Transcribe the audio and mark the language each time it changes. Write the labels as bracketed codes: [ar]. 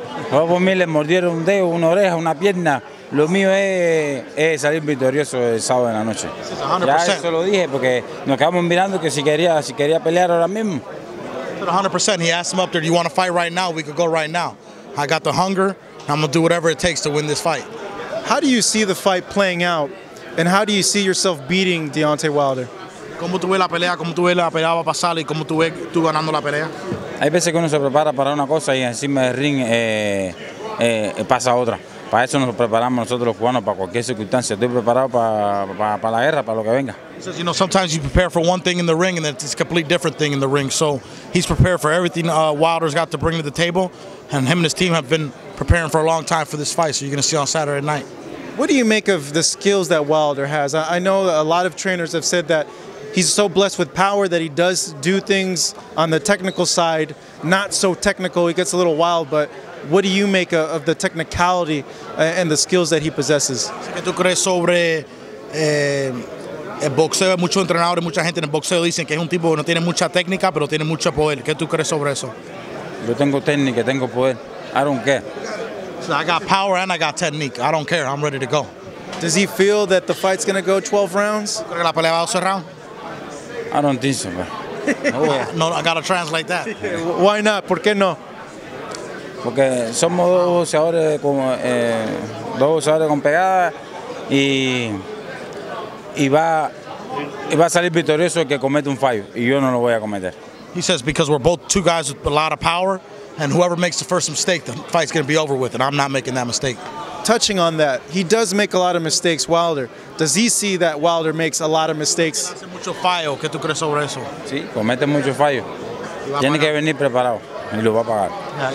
[es] Luego por mí le mordieron un dedo, una oreja, una pierna. Lo mío es salir victorioso el sábado en la noche. Ya eso lo dije, porque nos quedamos mirando que si quería pelear ahora mismo. 100%. [en] He asked him up there, do you want to fight right now? We could go right now. I got the hunger, and I'm going to do whatever it takes to win this fight. How do you see the fight playing out? And how do you see yourself beating Deontay Wilder? [es] ¿Cómo tú ves la pelea? ¿Cómo tú ves la pelea va a pasar? ¿Y cómo tú ves tú ganando la pelea? Hay veces que uno se prepara para una cosa y encima del ring pasa otra. Para eso nos preparamos nosotros los cubanos, para cualquier circunstancia. Estoy preparado para la guerra, para lo que venga. [en] He says, you know, sometimes you prepare for one thing in the ring and then it's a complete different thing in the ring. So he's prepared for everything Wilder's got to bring to the table. And him and his team have been preparing for a long time for this fight. So you're going to see on Saturday night. What do you make of the skills that Wilder has? I know a lot of trainers have said that he's so blessed with power that he does do things on the technical side, not so technical. He gets a little wild, but what do you make of the technicality and the skills that he possesses? [es] ¿Tú crees sobre el boxeo? Muchos entrenadores, mucha gente en el boxeo dicen que es un tipo que no tiene mucha técnica, pero tiene mucho poder. ¿Qué tú crees sobre eso? Yo tengo técnica, tengo poder. [en] I don't care. So I got power and I got technique. I don't care. I'm ready to go. Does he feel that the fight's going to go 12 rounds? [es] ¿La pelea va a 12 rounds? [en] I don't think so, man. No, I got to translate that. Why not? [es] ¿Por qué no? Porque somos dos boxeadores con pegada y va a salir victorioso el que comete un fallo. Y yo no lo voy a cometer. [en] He says because we're both two guys with a lot of power. And whoever makes the first mistake, the fight's going to be over with, and I'm not making that mistake. Touching on that, he does make a lot of mistakes, Wilder. Does he see that Wilder makes a lot of mistakes? [es] Hace mucho fallo. ¿Qué tú crees sobre eso? Sí, comete mucho fallo. Tiene que venir preparado. Y lo va a pagar.